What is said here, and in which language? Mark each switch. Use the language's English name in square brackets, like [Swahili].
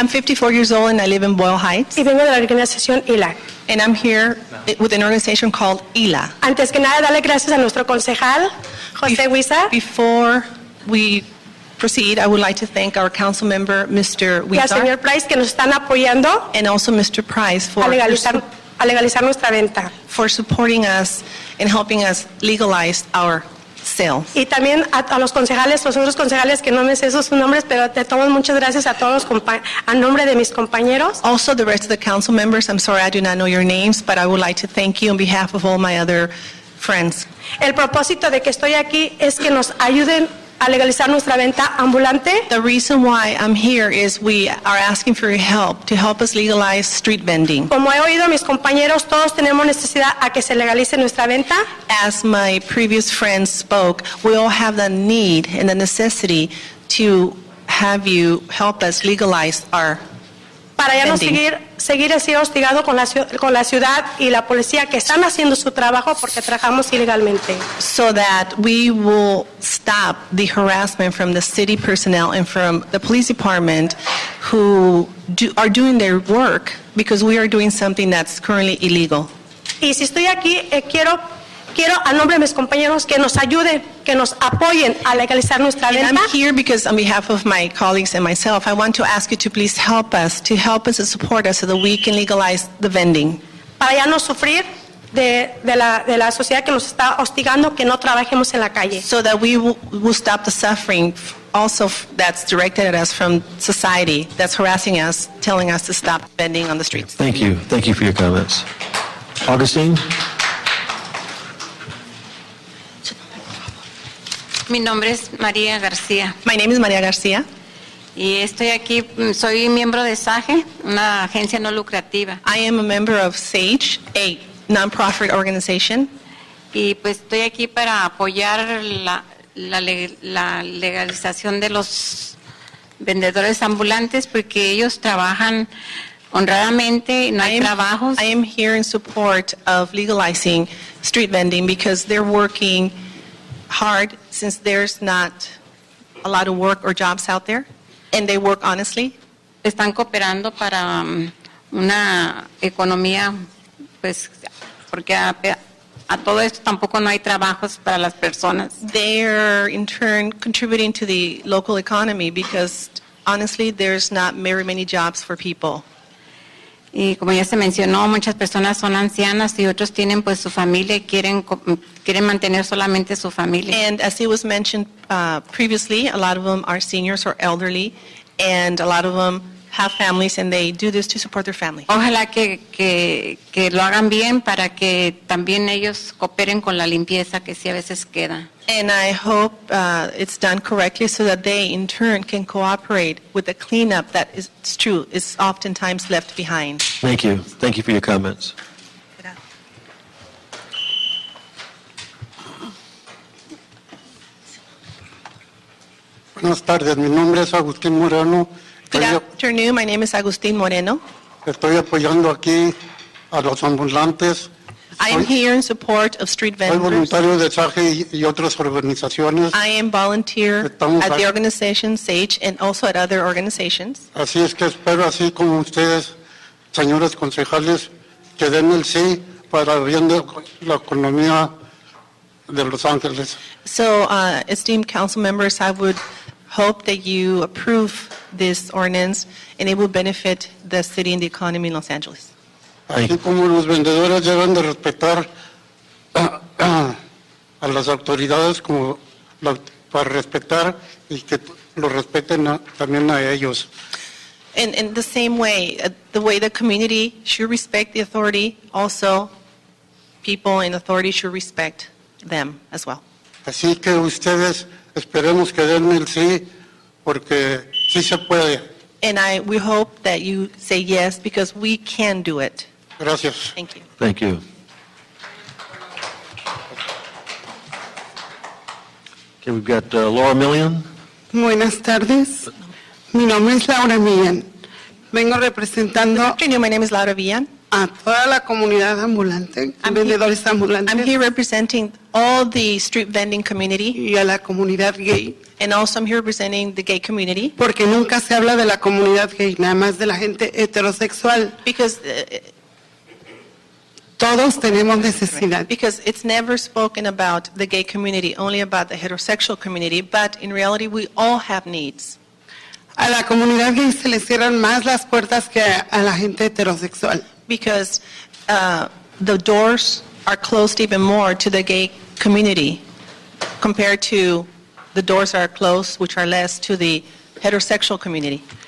[English] I'm 54 years old and I live in Boyle Heights. [Spanish] Y vengo de la organización ILA. [English] And I'm here with an organization called ILA. [Spanish] Antes que nada, darle gracias a nuestro concejal, José Huiza. [English] Before we proceed, I would like to thank our council member, Mr. Huizar. [Spanish] Y al señor Price, que nos están apoyando. [English] And also Mr. Price for [Spanish] a legalizar nuestra venta. [English] For supporting us and helping us legalize our sale. [Spanish] Y también a los concejales, los otros concejales que no me sé sus nombres, pero te tomo muchas gracias a todos los a nombre de mis compañeros. [English] Also the rest of the council members, I'm sorry I do not know your names, but I would like to thank you on behalf of all my other friends. [Spanish] El propósito de que estoy aquí es que nos ayuden a legalizar nuestra venta ambulante. [English] The reason why I'm here is we are asking for your help to help us legalize street vending. [Spanish] Como he oído a mis compañeros, todos tenemos necesidad a que se legalice nuestra venta. [English] As my previous friend spoke, we all have the need and the necessity to have you help us legalize our [Spanish] para ya no seguir así hostigado con la ciudad y la policía que están haciendo su trabajo porque trabajamos ilegalmente. [English] So that we will stop the harassment from the city personnel and from the police department who are doing their work because we are doing something that's currently illegal. [Spanish] Y si estoy aquí, quiero a nombre de mis compañeros que nos ayuden, que nos apoyen a legalizar nuestra venta. [English] And I'm here because on behalf of my colleagues and myself, I want to ask you to please help us and support us so that we can legalize the vending. [Spanish] Para ya no sufrir de la sociedad que nos está hostigando, que no trabajemos en la calle. [English] So that we will stop the suffering also that's directed at us from society that's harassing us, telling us to stop vending on the streets. Thank you. Thank you for your comments. Augustine? [Spanish] Mi nombre es María García. [English] My name is María García. [Spanish] Y estoy aquí, soy miembro de SAGE, una agencia no lucrativa. [English] I am a member of SAGE, a non-profit organization. [Spanish] Y pues estoy aquí para apoyar la legalización de los vendedores ambulantes porque ellos trabajan honradamente, no hay trabajos. [English] I am here in support of legalizing street vending because they're working hard since there's not a lot of work or jobs out there and they work honestly. [Spanish] Están cooperando para una economía pues porque a todo esto tampoco no hay trabajos para las personas. [English] They're in turn contributing to the local economy because honestly there's not very many jobs for people. [Spanish] Y como ya se mencionó, muchas personas son ancianas y otros tienen pues su familia y quieren mantener solamente su familia. [English] And as it was mentioned previously, a lot of them are seniors or elderly, and a lot of them have families and they do this to support their family. [Spanish] Ojalá que lo hagan bien para que también ellos cooperen con la limpieza que sí a veces queda. [English] And I hope it's done correctly so that they in turn can cooperate with the cleanup that is, it's true, is oftentimes left behind. Thank you. Thank you for your comments. [Spanish] Buenas tardes. Mi nombre es Agustín Moreno. [English] Good afternoon. My name is Agustín Moreno. [Spanish] Estoy apoyando aquí a los ambulantes. [English] I am here in support of street vendors. [Spanish] Soy voluntario de SAGE y otras organizaciones. [English] I am volunteer at the organization SAGE and also at other organizations. [Spanish] Así es que espero, así como ustedes, señores concejales, que den el sí para bien de la economía de Los Ángeles. [English] So, esteemed council members, I would hope that you approve this ordinance and it will benefit the city and the economy in Los Angeles. [Spanish] Así como los vendedores deben de respetar a las autoridades como la, para respetar y que lo respeten a, también a ellos. [English] In the same way, the way the community should respect the authority, also people in authority should respect them as well. [Spanish] Así que ustedes esperemos que den el sí porque sí se puede. [English] And we hope that you say yes because we can do it. [Spanish] Gracias. [English] Thank you. Thank you. Okay, we've got Laura Millian. [Spanish] Buenas tardes. Mi nombre es Laura Millian. Vengo representando. [English] Good afternoon. My name is Laura Millian. [Spanish] A toda la comunidad ambulante, vendedores ambulantes. [English] I'm here representing all the street vending community. [Spanish] Y a la comunidad gay. [English] And also I'm here representing the gay community. [Spanish] Porque nunca se habla de la comunidad gay, nada más de la gente heterosexual. [English] Because [Spanish] todos tenemos necesidad. [English] Because it's never spoken about the gay community, only about the heterosexual community, but in reality we all have needs. [Spanish] A la comunidad gay se le cierran más las puertas que a la gente heterosexual. [English] Because the doors are closed even more to the gay community compared to the doors are closed, which are less, to the heterosexual community.